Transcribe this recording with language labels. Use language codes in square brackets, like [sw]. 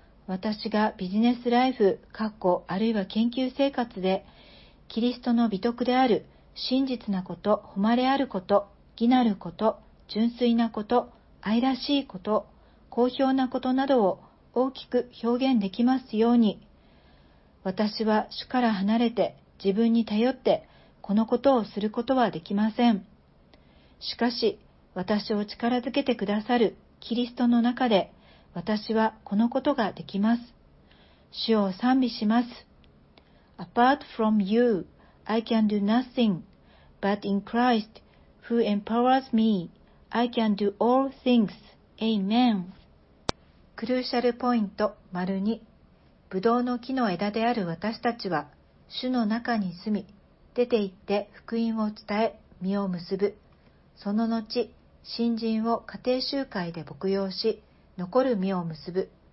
[ja] 私がビジネスライフ、あるいは研究生活で、キリストの美徳である、真実なこと、誉れあること、義なること、純粋なこと、愛らしいこと、好評なことなどを大きく表現できますように、私は主から離れて自分に頼って、このことをすることはできません。しかし、私を力づけてくださるキリストの中で、私はこのことができます。主を賛美します。 [en] Apart from you, I can do nothing, but in Christ, who empowers me, I can do all things. Amen. [ja] クルーシャルポイント2、ブドウの木の枝である私たちは、主の中に住み、出て行って福音を伝え、実を結ぶ。その後、新人を家庭集会で牧養し、残る実を結ぶ。